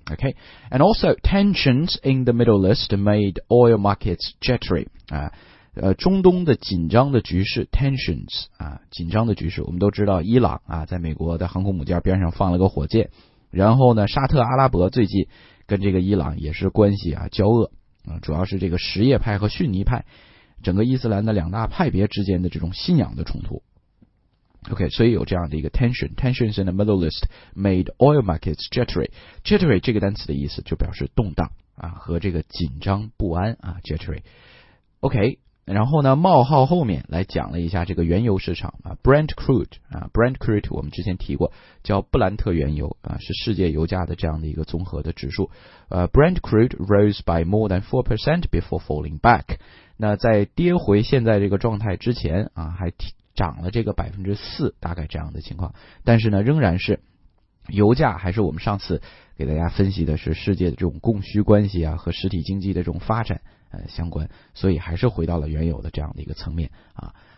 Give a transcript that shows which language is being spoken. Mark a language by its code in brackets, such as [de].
[en] OK， and also tensions in the Middle East made oil markets jittery 啊。 [zh] 中东的紧张的局势 tensions 啊，紧张的局势，我们都知道伊朗啊，在美国的航空母舰边上放了个火箭，然后呢，沙特阿拉伯最近跟这个伊朗也是关系啊交恶啊，主要是这个什叶派和逊尼派，整个伊斯兰的两大派别之间的这种信仰的冲突。 [en] OK， [zh] 所以有这样的一个 [en] tensions in the Middle East made oil markets jittery。 [zh] jittery 这个单词的意思就表示动荡啊和这个紧张不安啊 jittery。OK。然后呢冒号后面来讲了一下这个原油市场啊 ,Brent Crude, 啊 ,Brent Crude 我们之前提过叫布兰特原油啊，是世界油价的这样的一个综合的指数。 [en] Brent Crude rose by more than 4% before falling back。 [zh] 那在跌回现在这个状态之前啊还涨了这个 4%, 大概这样的情况。但是呢仍然是油价还是我们上次给大家分析的是世界的这种供需关系啊和实体经济的这种发展。相关，所以还是回到了原有的这样的一个层面啊。